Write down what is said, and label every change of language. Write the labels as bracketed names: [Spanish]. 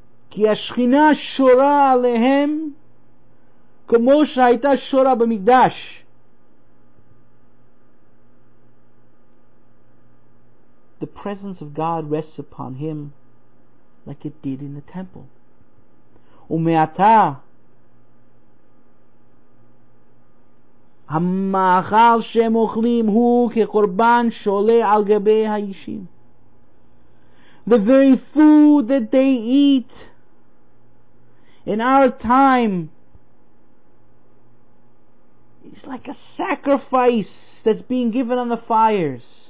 [Hebrew] Ki ashchina shora alehem kamo shehayta shora b'mikdash. [English] The presence of God rests upon him like it did in the temple. [Hebrew] Umeata המאכל שהם אוכלים הוא כקורבן שעולה על גבי האישים. [English] The very food that they eat in our time is like a sacrifice that's being given on the fires.